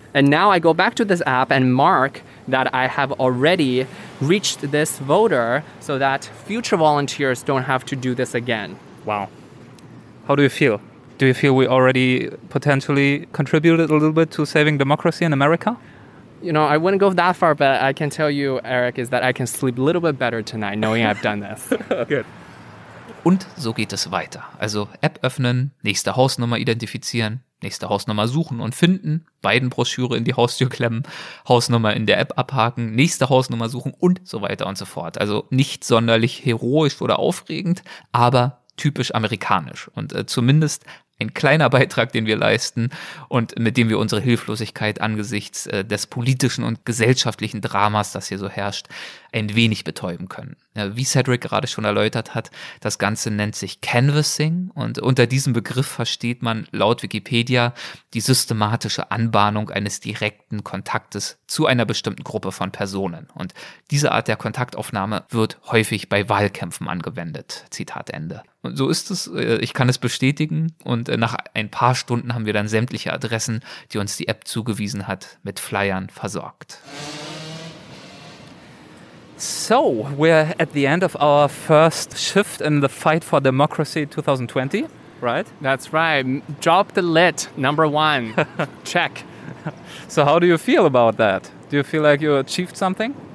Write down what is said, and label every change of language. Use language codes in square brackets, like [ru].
[en] And now I go back to this app and mark that I have already reached this voter so that future volunteers don't have to do this again. Wow. How do you feel? Do you feel we already potentially contributed a little bit to saving democracy in America? You know, I wouldn't go that far, but I can tell you, Eric, is that I can sleep a little bit better tonight knowing I've done this. Good. [de] Und so geht es weiter. Also App öffnen, nächste Hausnummer identifizieren, nächste Hausnummer suchen und finden, beiden Broschüre in die Haustür klemmen, Hausnummer in der App abhaken, nächste Hausnummer suchen und so weiter und so fort. Also nicht sonderlich heroisch oder aufregend, aber typisch amerikanisch und zumindest ein kleiner Beitrag, den wir leisten und mit dem wir unsere Hilflosigkeit angesichts des politischen und gesellschaftlichen Dramas, das hier so herrscht, ein wenig betäuben können. Wie Cedric gerade schon erläutert hat, das Ganze nennt sich Canvassing und unter diesem Begriff versteht man laut Wikipedia die systematische Anbahnung eines direkten Kontaktes zu einer bestimmten Gruppe von Personen. Und diese Art der Kontaktaufnahme wird häufig bei Wahlkämpfen angewendet. Zitat Ende. Und so ist es. Ich kann es bestätigen. Und nach ein paar Stunden haben wir dann sämtliche Adressen, die uns die App zugewiesen hat, mit Flyern versorgt. [en] So, we're at the end of our first shift in the fight for democracy 2020, right? That's right. Drop the lid, number one. Check. So how do you feel about that? Do you feel like you achieved something?